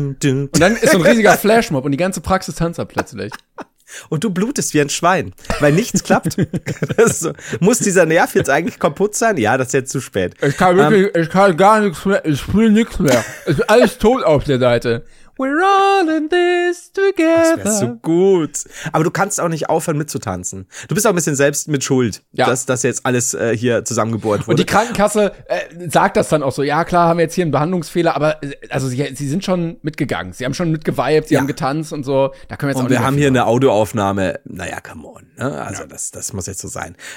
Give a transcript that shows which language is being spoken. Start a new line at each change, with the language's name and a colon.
German: Und dann ist so ein riesiger Flashmob und die ganze Praxis tanzt dann plötzlich. Und du blutest wie ein Schwein, weil nichts klappt. So. Muss dieser Nerv jetzt eigentlich kaputt sein? Ja, das ist jetzt zu spät. Ich kann wirklich, ich kann gar nichts mehr, ich spüre nichts mehr. Es ist alles tot auf der Seite.
English: We're all in this together.
German: Das wäre so gut. Aber du kannst auch nicht aufhören mitzutanzen. Du bist auch ein bisschen selbst mit Schuld, dass das jetzt alles hier zusammengebohrt wurde. Und die Krankenkasse sagt das dann auch so. Ja, klar, haben wir jetzt hier einen Behandlungsfehler, aber also sie sind schon mitgegangen. Sie haben schon mitgeviped, sie haben getanzt und so. Da können wir jetzt und auch wir haben hier eine Audioaufnahme. Naja, come on. Ne? Also das muss jetzt so sein.